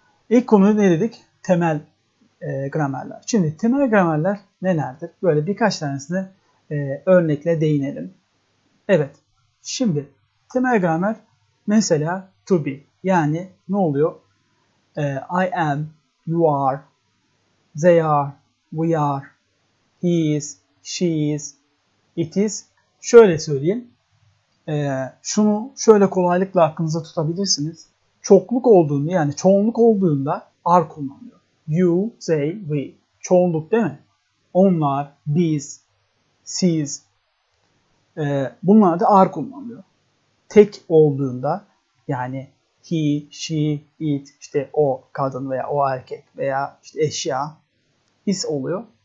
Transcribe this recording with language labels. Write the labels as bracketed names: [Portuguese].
[Turkish] İlk konu ne dedik? Temel gramerler. Şimdi temel gramerler nelerdir? Böyle birkaç tanesini örnekle değinelim. Evet, şimdi temel gramer mesela to be. Yani ne oluyor? [English] I am, you are, they are, we are, he is, she is, it is. [Turkish] Şöyle söyleyeyim. Şunu şöyle kolaylıkla aklınıza tutabilirsiniz. Çokluk olduğunda, yani çoğunluk olduğunda are kullanılıyor. You, they, we. Çoğunluk değil mi? Onlar, biz, siz. Bunlar da are kullanılıyor. Tek olduğunda, yani he, she, it, işte o kadın veya o erkek veya işte eşya is oluyor.